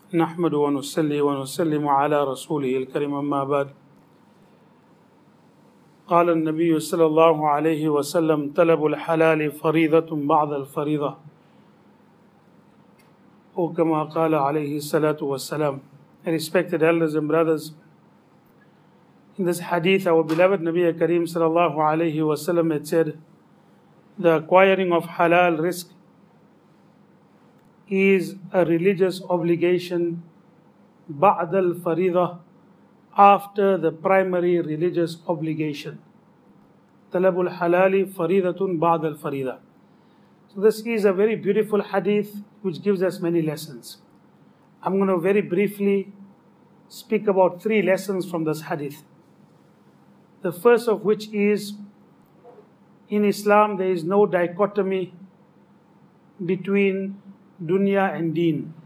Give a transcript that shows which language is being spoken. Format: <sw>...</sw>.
<ar>نحمد ونصلي ونسلم على رسوله الكريم اما بعد، قال النبي صلى الله عليه وسلم: طلب الحلال فريضة بعد الفريضة، او كما قال عليه الصلاة والسلام.</ar> <en>And respected elders and brothers, in this hadith our beloved Nabi Kareem صلى الله عليه وسلم had said, the acquiring of halal rizq is a religious obligation,</en> <ar>بعد الفريضة,</ar> <en>after the primary religious obligation.</en> <ar>طلب الحلال فريضة بعد الفريضة.</ar> <en>So this is a very beautiful hadith which gives us many lessons. I'm going to very briefly speak about three lessons from this hadith. The first of which is, in Islam there is no dichotomy between dunya and deen.</en>